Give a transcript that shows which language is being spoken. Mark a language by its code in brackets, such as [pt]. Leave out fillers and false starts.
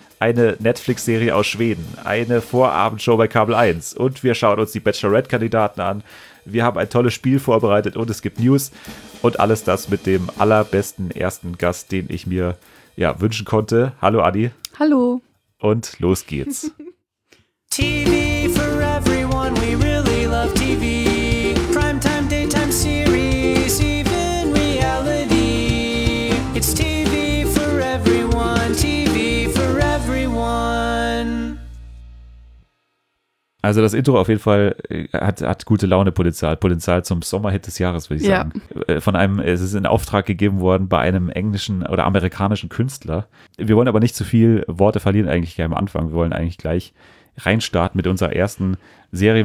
[de] Eine Netflix-Serie aus Schweden. Eine Vorabendshow bei Kabel 1. Und wir schauen uns die Bachelorette-Kandidaten an. Wir haben ein tolles Spiel vorbereitet und es gibt News. Und alles das mit dem allerbesten ersten Gast, den ich mir ja, wünschen konnte. Hallo Adi. Hallo. Und los geht's. [en] TV for everyone, we really love TV. Primetime, daytime series, even reality. It's TV for everyone, TV for everyone. [de] Also das Intro auf jeden Fall hat gute Laune Potenzial zum Sommerhit des Jahres, würde ich sagen. Von einem, es ist in Auftrag gegeben worden bei einem englischen oder amerikanischen Künstler. Wir wollen aber nicht zu viel Worte verlieren eigentlich am Anfang. Wir wollen eigentlich gleich reinstarten mit unserer ersten Serie.